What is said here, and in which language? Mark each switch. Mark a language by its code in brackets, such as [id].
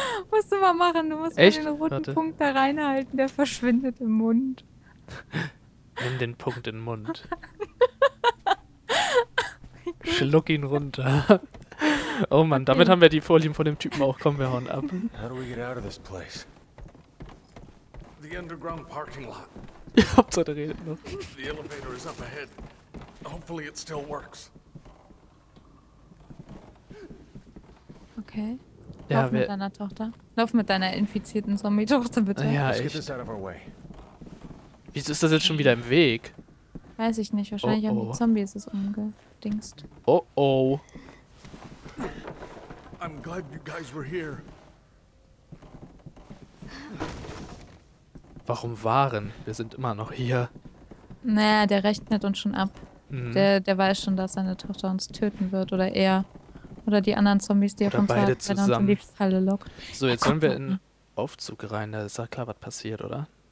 [de] Musst du mal machen, du musst echt? Mal den roten Warte. Punkt da reinhalten, der verschwindet im Mund. Nimm den Punkt in den Mund. Schluck ihn runter. Oh Mann, damit haben wir die Folien von dem Typen auch, kommen wir hauen ab. [en] How do we get out of this place? The underground parking lot. [de] Ja, Hauptsache redet noch. [en] The elevator is up ahead. Hopefully it still works. Okay. [de] Lauf mit deiner Tochter. Lauf mit deiner infizierten Zombie-Tochter, bitte. Ja, echt. Wieso ist das jetzt schon wieder im Weg? Weiß ich nicht. Wahrscheinlich haben die Zombies es umgedingst. Oh oh. [en] I'm glad you guys were here. [de] Warum waren? Wir sind immer noch hier. Naja, der rechnet uns schon ab. Mhm. Der weiß schon, dass seine Tochter uns töten wird oder er. Oder die anderen Zombies, die auf uns in die Falle lockt. So, jetzt sollen wir in den Aufzug rein. Da ist ja klar, was passiert, oder?